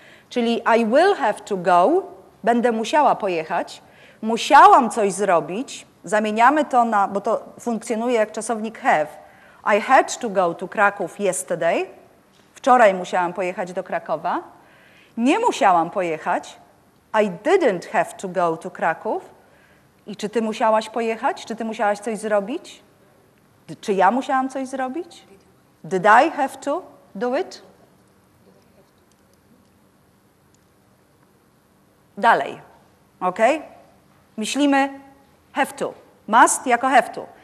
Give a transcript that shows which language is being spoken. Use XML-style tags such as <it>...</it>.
<pl>Czyli</pl> <en>I will have to go,</en> <pl>będę musiała pojechać, musiałam coś zrobić, zamieniamy to na, bo to funkcjonuje jak czasownik have.</pl> <en>I had to go to Kraków yesterday.</en> <pl>Wczoraj musiałam pojechać do Krakowa. Nie musiałam pojechać.</pl> <en>I didn't have to go to Kraków.</en> <pl>I czy ty musiałaś pojechać? Czy ty musiałaś coś zrobić? Czy ja musiałam coś zrobić?</pl> <en>Did I have to do it?</en> <pl>Dalej. OK? Myślimy have to. Must jako have to.</pl>